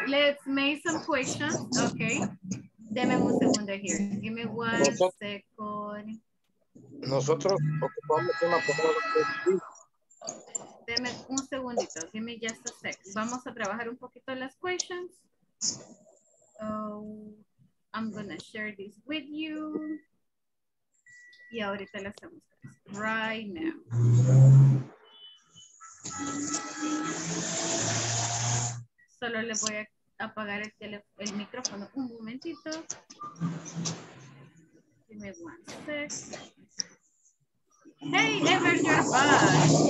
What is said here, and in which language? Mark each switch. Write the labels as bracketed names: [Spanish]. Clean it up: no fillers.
[English] Let's make some questions, okay. [Spanish] Deme un segundo [English] here. Give me one second. [Spanish] Nosotros ocupamos una palabra. Deme un segundito, [English] give me just a sec. [Spanish] Vamos a trabajar un poquito las questions. [English] Oh, I'm gonna share this with you. [Spanish] Y ahorita las hacemos, [English] right now. [Spanish] Solo le voy a apagar el micrófono un momentito. [English] Give me one sec. Hey, Ever, you're back.